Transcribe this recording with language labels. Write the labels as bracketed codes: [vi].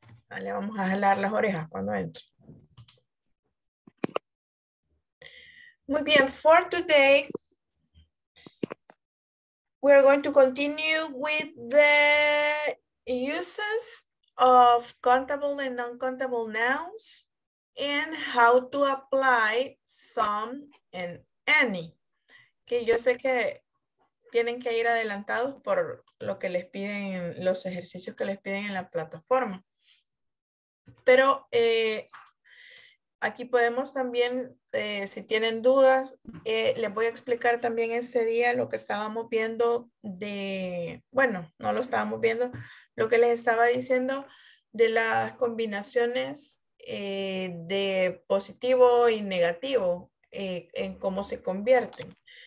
[es] Le vamos a jalar las orejas cuando entre. Muy bien, [en] for today, we're going to continue with the uses of countable and non-countable nouns and how to apply some and any. [es] Que yo sé que tienen que ir adelantados por lo que les piden, los ejercicios que les piden en la plataforma. Pero aquí podemos también, si tienen dudas, les voy a explicar también este día lo que estábamos viendo de, bueno, no lo estábamos viendo, lo que les estaba diciendo de las combinaciones de positivo y negativo, en cómo se convierten.